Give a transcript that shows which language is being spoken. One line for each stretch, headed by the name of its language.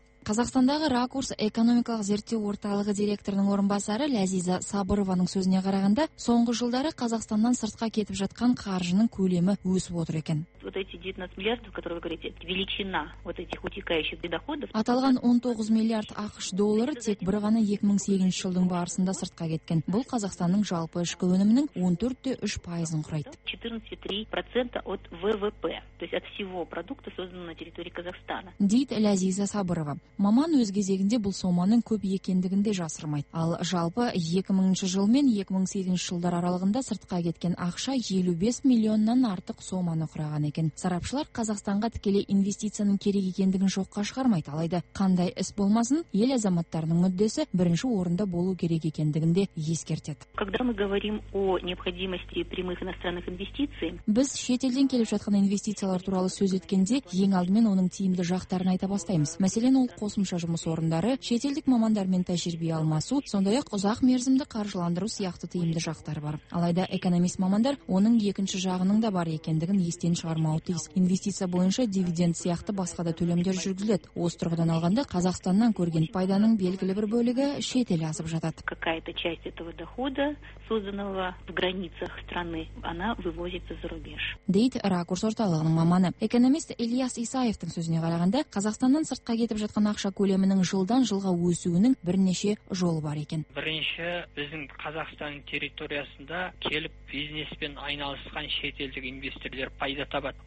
Kazakh: Қазақстандағы Ракурс экономикалық зерттеу орталығы директорының орынбасары Ләзиза Сабырованың сөзіне қарағанда, соңғы жылдары Қазақстаннан сыртқа кетіп жатқан қаржының көлемі өсіп отыр екен. Аталған 19 миллиард ақш доллары тек бір ғана 2008 жылдың барысында сыртқа кеткен. Бұл Қазақстанның жалпы ішкі өнімінің 14.3% құрайды.
Russian: 14.3% от ВВП, то есть от всего продукта, созданного на территории Казахстана.
Kazakh: Дейді Ләзиза Сабырова. Маман өз кезегінде бұл соманың көп екендігінде жасырмайды. Ал жалпы 2000 жыл мен 2008 жылдар аралығында сыртқа кеткен ақша 55 миллионнан артық соманы құраған екен. Сарапшылар Қазақстанға тікелей инвестицияның керек екендігін жоққа шығармайды. Алайда қандай іс болмасын, ел азаматтарының мүддесі бірінші орында болу керек екендігін де ескертеді.
Russian: Когда мы говорим о необходимости прямых иностранных инвестиций,
Kazakh: біз шетелден келіп жатқан инвестициялар туралы сөз еткенде, ең алдымен оның тиімді жақтарын айта бастаймыз. Мәселен, қосымша жұмыс орындары, шетелдік мамандармен тәжірибе алмасу, сондай-ақ ұзақ мерзімді қаржыландыру сияқты тиімді жақтар бар. Алайда экономист мамандар оның екінші жағының да бар екендігін естен шығармауы тиіс. Инвестиция бойынша дивиденд сияқты басқа да төлемдер жүргізіледі. Осы тұрғыдан алғанда Қазақстаннан көрген пайданың белгілі бір бөлігі шетелге асып жатады.
Russian: Какая-то часть этого дохода, созданного в границах страны, она вывозится за рубеж.
Kazakh: Дейді Ракурс орталығының маманы. Экономист Ильяс Исаевтың сөзіне қарағанда, Қазақстаннан сыртқа кетіп жатқан ақша көлемінің жылдан жылға өсуінің бірнеше жолы бар екен. Бірінші, біздің Қазақстан территориясында келіп бизнеспен айналысқан шетелдік инвесторлар пайда табады.